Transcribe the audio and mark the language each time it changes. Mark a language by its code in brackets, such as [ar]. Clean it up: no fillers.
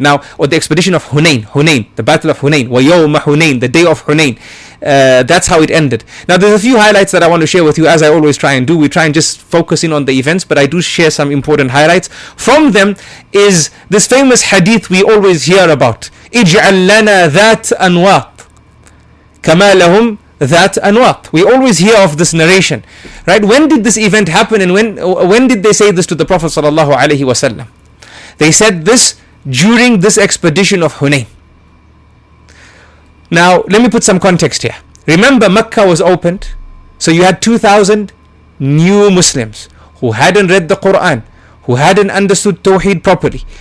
[en] Now, or the expedition of Hunayn, the battle of Hunayn, [ar] wa yawma Hunayn, [en] the day of Hunayn. That's how it ended. Now, there's a few highlights that I want to share with you, as I always try and do. We try and just focus in on the events, but I do share some important highlights. From them is this famous hadith we always hear about. [ar] اجعل لنا ذات أنواط كما لهم ذات أنواط. [en] We always hear of this narration, right? When did this event happen, and when did they say this to the Prophet sallallahu alaihi wasallam? They said this during this expedition of Hunayn. Now let me put some context here. Remember, Mecca was opened, so you had 2,000 new Muslims who hadn't read the Quran, who hadn't understood Tawheed properly.